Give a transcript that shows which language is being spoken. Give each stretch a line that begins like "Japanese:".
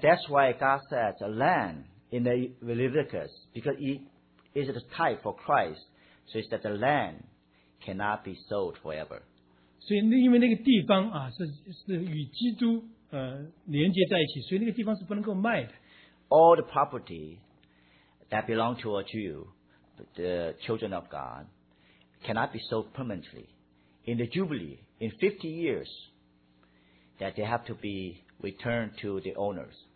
English: That's why God says a land in the Leviticus, because it is the type for Christ, so it's that the land cannot be sold forever.
Chinese: 所以那个地方啊, 是与基督, 连接在一起, 所以那个地方是不能够卖的。
English: All the property that belong to a Jew, the children of God, cannot be sold permanently. In the Jubilee, in 50 years, that they have to be returned to the owners.